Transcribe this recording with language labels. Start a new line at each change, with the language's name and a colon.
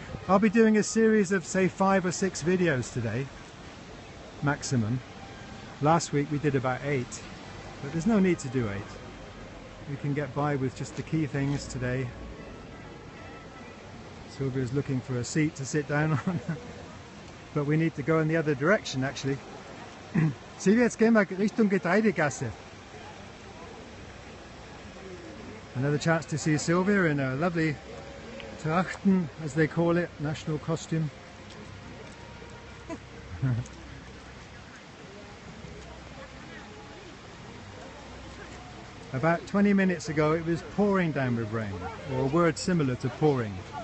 English: I'll be doing a series of, say, 5 or 6 videos today. Maximum. Last week we did about 8, but there's no need to do 8. We can get by with just the key things today. Sylvia's looking for a seat to sit down on, but we need to go in the other direction actually.
German: Sylvia, jetzt gehen wir Richtung Getreidegasse.
English: Another chance to see Sylvia in a lovely Trachten, as they call it, national costume. About 20 minutes ago, it was pouring down with rain, or a word similar to pouring.